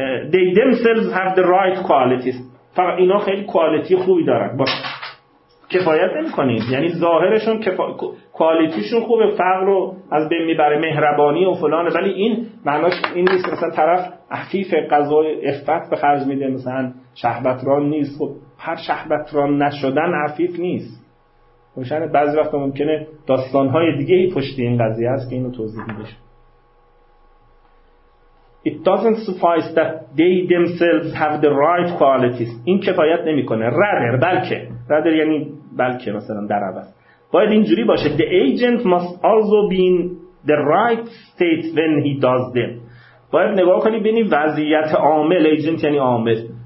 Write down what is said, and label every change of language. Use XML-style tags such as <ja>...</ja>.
<en>they themselves have the right qualities،</en> <fa>فقط اینا خیلی کوالیتی خوبی دارن، با کفایت نمی کنید، یعنی ظاهرشون کوالیتیشون خوبه، فقر رو از بین میبره، مهربانی و فلانه، ولی این معناش این نیست مثلا طرف عفیف قضای افت به خرج میده، مثلا شهبتران نیست، خب هر شهبتران نشدن عفیف نیست، مشانه بعضی وقت ممکنه داستانهای دیگه ای پشت این قضیه هست که اینو توضیح میدهش.</fa> <en>It doesn't suffice that they themselves have the right qualities.</en> <fa>این کفایت نمی کنه. Rather، بلکه. Rather یعنی بلکه مثلا در عوض. باید اینجوری باشه.</fa> <en>The agent must also be in the right state when he does them.</en> <fa>باید نگاه کنی ببینی وضعیت عامل. Agent یعنی عامل.</fa>